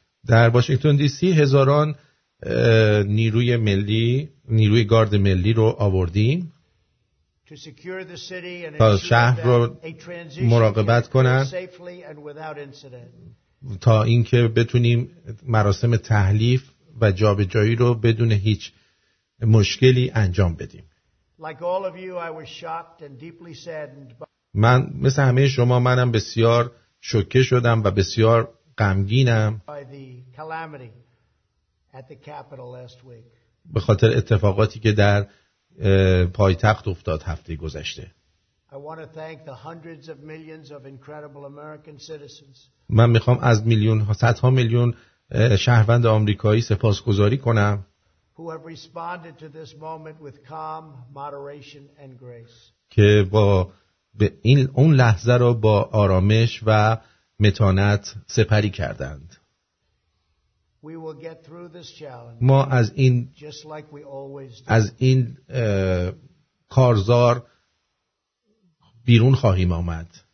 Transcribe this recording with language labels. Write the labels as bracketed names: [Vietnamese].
[Persian] در واشنگتن دی سی هزاران نیروی ملی، نیروی گارد ملی رو آوردیم [English] to secure the city and [Persian] تا شهر رو مراقبت کنن [English] safely and without incident. [Persian] تا اینکه بتونیم مراسم تحلیف و جابجایی رو بدون هیچ مشکلی انجام بدیم. [English] Like all of you, I was shocked and deeply saddened. [Persian] من مثل همه شما منم بسیار شوکه شدم و بسیار غمگینم. [English] By the calamity at the Capitol last week. [Persian] به خاطر اتفاقاتی که در پایتخت افتاد هفته گذشته. [English] I want to thank the hundreds of millions of incredible American citizens. [Persian] من میخوام از میلیون ها صد ها میلیون شهروند آمریکایی سپاسگزاری کنم. [English] Who have responded to this moment with calm, moderation and grace. [Persian] که با به این اون لحظه رو با آرامش و متانت سپری کردند. [English] We will get through this challenge. [Persian] ما از این [English] just like we always do. [Persian] از این کارزار بیرون خواهیم آمد.